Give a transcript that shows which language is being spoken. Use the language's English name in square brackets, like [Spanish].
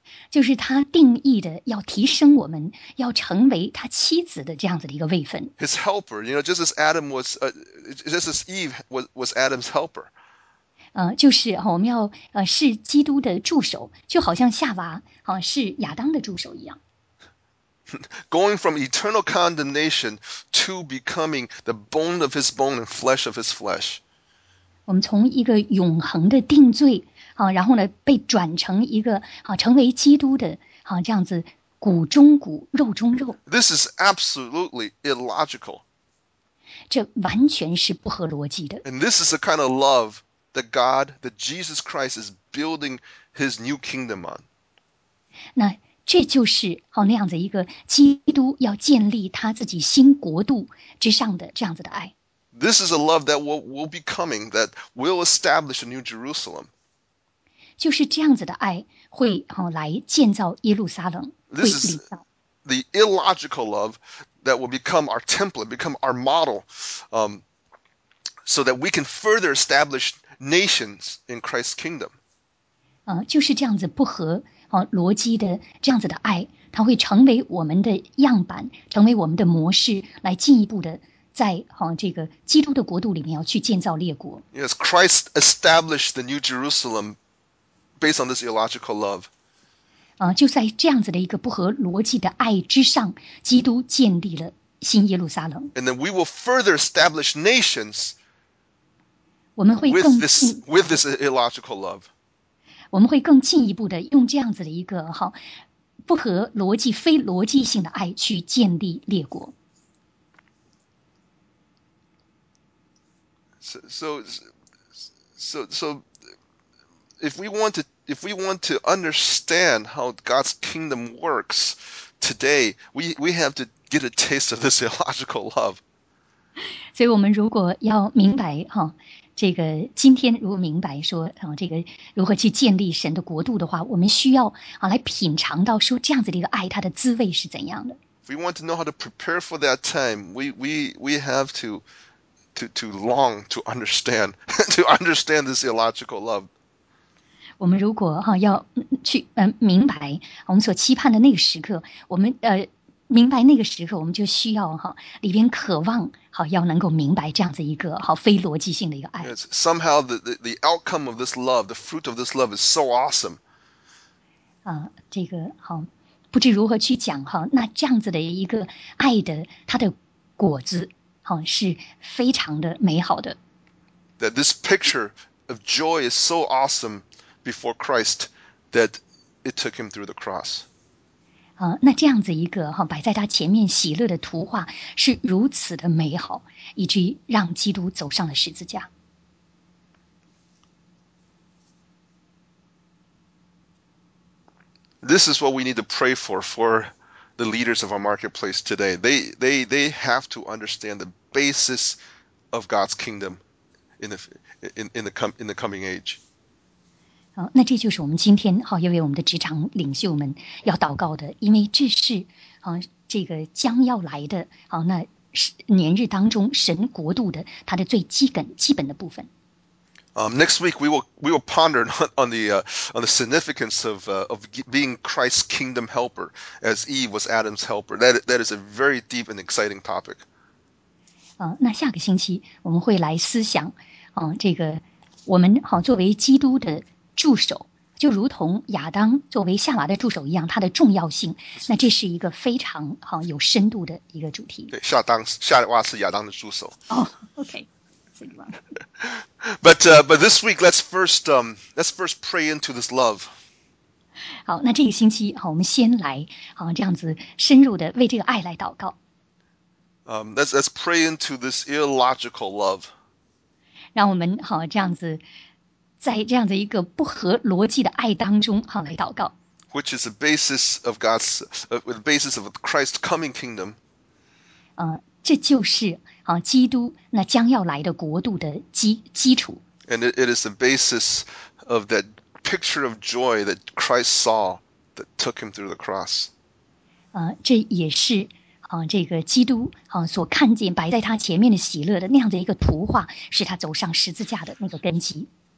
[Chinese] 就是他定义的要提升我们，要成为他妻子的这样子的一个位分。 [English] His helper, you know, just as Adam was, just as Eve was Adam's helper. [Chinese] 就是我们要是基督的助手，就好像夏娃是亚当的助手一样。 [English] Going from eternal condemnation to becoming the bone of his bone and flesh of his flesh. [Chinese] 我们从一个永恒的定罪。然后呢，被转成一个成为基督的这样子骨中骨，肉中肉。 [English] This is absolutely illogical. [Chinese] 这完全是不合逻辑的。 [English] And this is the kind of love that God, that Jesus Christ is building his new kingdom on. [Chinese] 那这就是好那样子一个基督要建立他自己新国度之上的这样子的爱。 [English] This is a love that will be coming, that will establish a new Jerusalem. [Chinese] 就是这样子的爱会好来建造耶路撒冷。 [English] This is the illogical love that will become our template, become our model, so that we can further establish nations in Christ's kingdom. [Chinese] 就是这样子不合逻辑的这样子的爱，它会成为我们的样板，成为我们的模式，来进一步的在这个基督的国度里面要去建造列国。 [English] Yes, Christ established the New Jerusalem based on this illogical love. [Chinese] 就在这样子的一个不合逻辑的爱之上，基督建立了新耶路撒冷。 [English] And then we will further establish nations. [Chinese] 我们会更进 [English] with this illogical love. [Chinese] 我们会更进一步的用这样子的一个不合逻辑、非逻辑性的爱去建立列国。 [English] So, if we want to understand how God's kingdom works today, we have to get a taste of this illogical love. [Chinese] 所以我们如果要明白这个今天如果明白说这个如何去建立神的国度的话，我们需要来品尝到说这样子的一个爱它的滋味是怎样的。 [English] If we want to know how to prepare for that time, we have to long to understand this illogical love. [Chinese] 我们如果要去明白我们所期盼的那个时刻，我们明白那个时刻，我们就需要里边渴望要能够明白这样子一个非逻辑性的一个爱。 [English] Yes, somehow the outcome of this love, the fruit of this love is so awesome. [Chinese] 这个不知如何去讲那这样子的一个爱的它的果子是非常的美好的。 [English] That this picture of joy is so awesome before Christ that it took him through the cross. [Chinese] 那这样子一个摆在他前面喜乐的图画是如此的美好，以至于让基督走上了十字架。 [English] This is what we need to pray for the leaders of our marketplace today. They have to understand the basis of God's kingdom in the coming age. [Chinese] 那这就是我们今天要为我们的职场领袖们要祷告的，因为这是这个将要来的那年日当中神国度的它的最基本的部分。 [English] Next week we will ponder on the significance of being Christ's kingdom helper as Eve was Adam's helper. That is a very deep and exciting topic. [Chinese] 那下个星期我们会来思想这个我们作为基督的助手，就如同亚当作为夏娃的助手一样，它的重要性。那这是一个非常有深度的一个主题。对，夏娃是亚当的助手。 [English] Okay. But this week let's first pray into this love. [Chinese] 好，那这个星期我们先来这样子深入的为这个爱来祷告。 [English] Let's pray into this illogical love. [Chinese] 让我们这样子。在这样的一个不合逻辑的爱当中来祷告。 [English] Which is the basis of God's, the basis of Christ's coming kingdom. [Chinese] 这就是基督那将要来的国度的基础。 [English] And it is the basis of that picture of joy that Christ saw that took him through the cross. [Chinese] 这也是这个基督所看见摆在他前面的喜乐的那样的一个图画是他走上十字架的那个根基。